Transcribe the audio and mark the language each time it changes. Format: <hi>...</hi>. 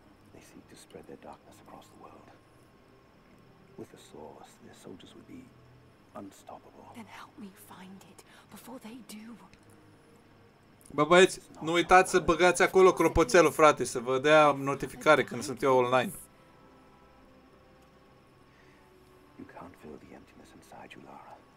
<en>They seek to spread their darkness across the world. With the source, their soldiers would be unstoppable. Then help me find it before they do.</en> <ro>Bă, băieți, nu uitați să băgați acolo clopoțelul, frate, să vă dea notificare când sunt eu online.</ro> <en>You can't fill the emptiness inside you, Lara.</en>